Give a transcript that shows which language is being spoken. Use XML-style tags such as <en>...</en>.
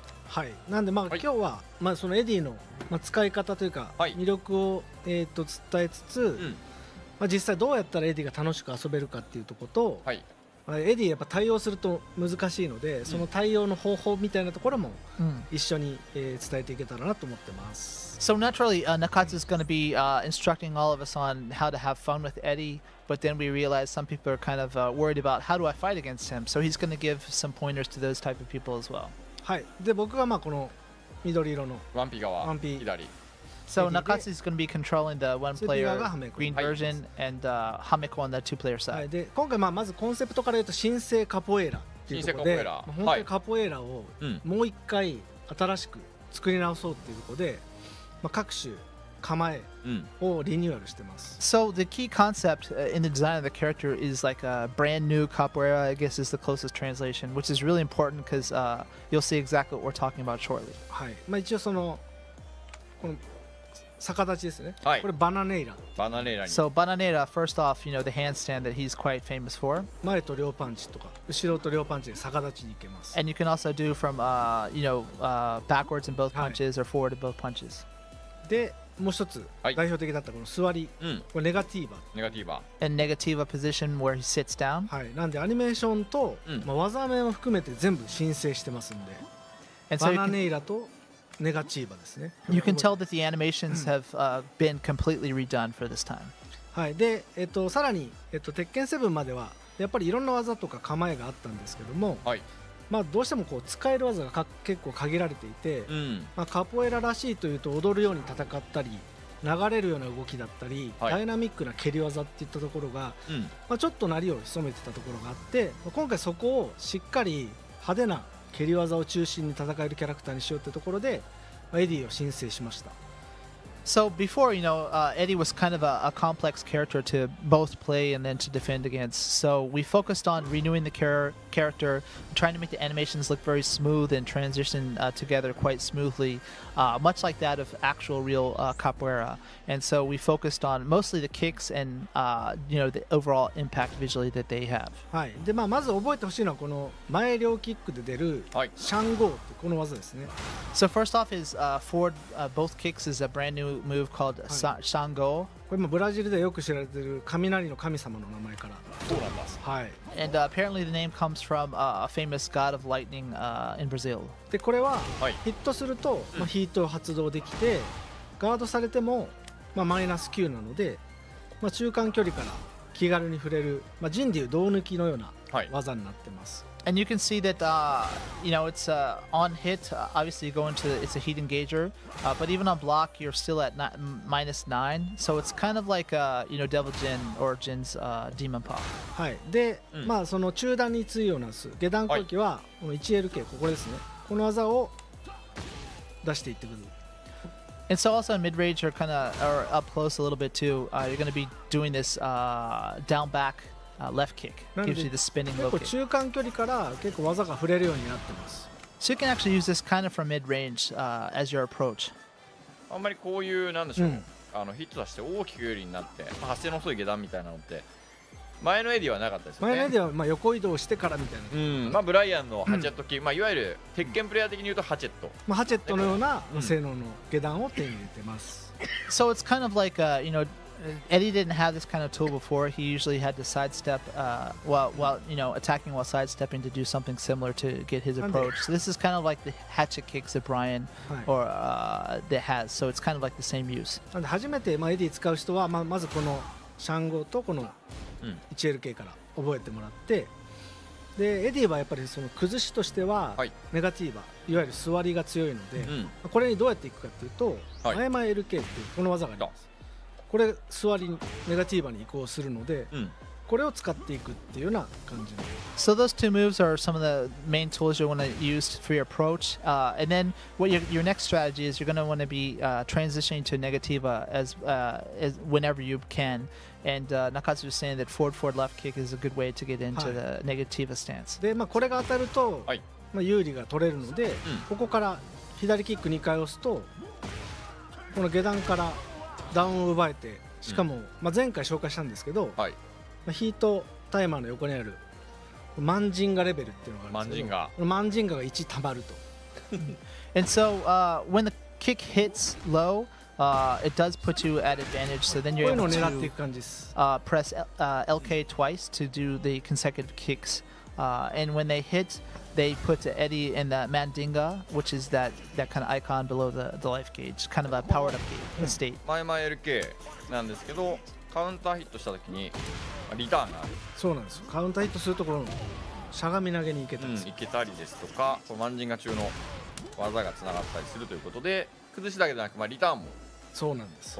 <ja>はい、なんでまあ今日はまあそのエディの使い方というか魅力を伝えつつ、まあ実際どうやったらエディが楽しく遊べるかっていうとこと、エディやっぱ対応すると難しいので、その対応の方法みたいなところも一緒に伝えていけたらなと思ってます。</ja> <en>So naturally Nakatsu is going to be instructing all of us on how to have fun with Eddie, but then we realize some people are kind of worried about how do I fight against him, so he's going to give some pointers to those type of people as well.</en> <ja>はい、で僕はまあこの緑色のワンピ側、ワンピ左。</ja> <en>So Nakatsu is going to be controlling the one player green version、</en> <ja>はい、</ja> <en>and Hameko on the two player side、</en> <ja>はい。で今回 まずコンセプトから言うと新生カポエーラっていうところで、新生カポエーラ、まあ、本当にカポエーラを、はい、もう一回新しく作り直そうっていうところで、まあ、各種構えをリニューアルしてます。</ja> <en>So the key concept in the design of the character is like a brand new capoeira, I guess is the closest translation, which is really important because、you'll see exactly what we're talking about shortly.</en> <ja>はい。まあ、一応そのこの逆立ちですね。はい。これバナネイラ。バナネイラに。</ja> <en>So バナネイラ、first off, you know the handstand that he's quite famous for.</en> <ja>前と両パンチとか後ろと両パンチで逆立ちに行けます。</ja> <en>And you can also do from you know backwards in both punches、</en> <ja>はい、</ja> <en>or forward in both punches.</en> <ja>で、もう一つ代表的だったこの座り、はい、これネガティーバ。ネガティーバ。</ja> <en>And negativa position where he sits down.</en> <ja>はい。なんでアニメーションと、うん、まあ、技名も含めて全部申請してますんで、バナネイラと。ネガチーバですね。</ja> <en>You can tell that the animations have、been completely redone for this time.</en> <ja>はい。で、さらに、鉄拳7まではやっぱりいろんな技とか構えがあったんですけども、はい、まあ、どうしてもこう使える技が結構限られていて、うん、まあ、カポエラらしいというと踊るように戦ったり流れるような動きだったり、はい、ダイナミックな蹴り技っていったところが、うん、まあ、ちょっとなりを潜めてたところがあって、まあ、今回そこをしっかり派手な蹴り技を中心に戦えるキャラクターにしようってところで、エディを申請しました。</ja> <en>So before, you know, Eddie was kind of a complex character to both play and then to defend against. So we focused on renewing the character, trying to make the animations look very smooth and transition together quite smoothly, much like that of actual real capoeira. And so we focused on mostly the kicks and you know, the overall impact visually that they have.</en> <ja>はい。で、まあ、まず覚えてほしいのはこの前両キックで出るシャンゴーってこの技ですね。</ja> <en>So first off is forward both kicks is a brand newMove called Shango.</en> <ja>これもブラジルでよく知られている雷の神様の名前から。そうなんです。はい。</ja> <en>And apparently the name comes from a famous god of lightning in Brazil.</en> <ja>でこれはヒットすると、まあ、ヒートを発動できて、ガードされても、まあ、マイナス9なので、まあ、中間距離から気軽に触れる、まあ、ジンでいう胴抜きのような技になってます。はい、</ja> <en>And you can see that, you know, it's on hit, obviously you go into, it's a heat engager, but even on block, you're still at minus 9, so it's kind of like, you know, Devil Jin or Jin's Demon Pop.</en> <ja>はい。で、うん、まあその中段に対応なす下段攻撃は、この 1LK、ここですね。この技を出していってください。</ja> <en>And so also in mid-range or kind of or up close a little bit too, you're going to be doing this down back left kick. Gives you the spinning low kick.</en> <ja>中間距離から結構技が触れるようになってます。</ja> <en>So you can actually use this kind of from mid-range as your approach.</en> <ja>あんまりこういうなんでしょう、うん、あのヒット出して大きく有利になって、まあ、発生の遅い下段みたいなのって前のエディはなかったですよね。前のエディはまあ横移動してからみたいな。うん、まあブライアンのハチェットキー、うん、まあいわゆる鉄拳プレイヤー的に言うとハチェット。まあハチェットのような性能の下段を手に入れてます。</ja> <en>So it's kind of like you know, Eddie didn't have this kind of tool before. He usually had to sidestep while you know attacking while sidestepping to do something similar to get his approach. So this is kind of like the hatchet kicks that Brian or that has. So it's kind of like the same use.</en> <ja>なんで初めてまあエディ使う人はまあまずこのシャンゴとこの1LK から覚えてもらって、でエディはやっぱりその崩しとしてはネガティーバ、いわゆる座りが強いので、うん、これにどうやっていくかというと、はい、前々 LK っていうこの技があります。これ座りネガティーバに移行するので、うん、これを使っていくっていうような感じで。</ja> <en>So those two moves are some of the main tools you want to use for your approach. And then what your next strategy is, you're going to want to be transitioning to negativa as whenever you can. And Nakatsu was saying that forward left kick is a good way to get into the negativa stance.</en> <ja>で、まあ、これが当たると、はい、まあ、有利が取れるので、うん、ここから左キック2回押すと、この下段からダウンを奪えて、しかも、うん、まあ、前回紹介したんですけど、はい、まあ、ヒートタイマーの横にあるマンジンガレベルっていうのがあるんですけど、マンジンガが1溜まると。</ja> <en>And so, when the kick hits low,it does put you at advantage, so then you're able to press LK twice to do the consecutive kicks. And when they hit, they put Eddie in the Mandinga, which is that kind of icon below the life gauge, kind of a powered up state.</en> <ja>マイマイ LK なんですけど、カウンターヒットした時にリターンがある。そうなんです。カウンターヒットするところのしゃがみ投げに行けたり、うん、行けたりですとか、マンジンガ中の技がつながったりするということで、崩しだけじゃなく、まあ、リターンもそうなんです。</ja>